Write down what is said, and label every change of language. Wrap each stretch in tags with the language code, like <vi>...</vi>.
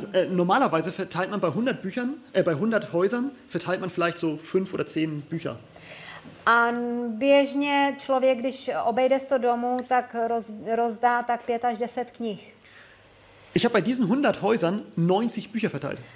<de>Normalerweise verteilt man bei 100 Büchern, bei 100 Häusern verteilt man vielleicht so 5 oder 10 Bücher.</de> <cs>A běžně člověk, když obejde 100 domů, tak rozdá tak 5 až 10 knih.</cs> <de>Ich habe bei diesen 100 Häusern 90 Bücher verteilt.</de>